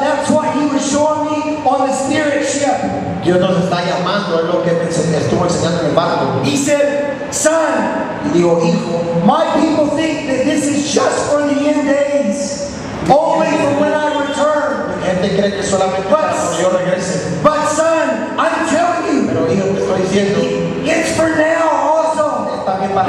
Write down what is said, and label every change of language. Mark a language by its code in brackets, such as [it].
[en] That's what he was showing me on the spirit ship. [es] Dios nos está llamando, es lo que me estuvo enseñando en el barco. [en] He said, son, [es] digo, hijo, [en] my people think that this is just for the end days, only for when I return. [es] Gente cree que solamente cuando yo regrese. [en] But son, I'm telling you, [es] pero hijo, te estoy diciendo, [en] it's for now also. [es] También para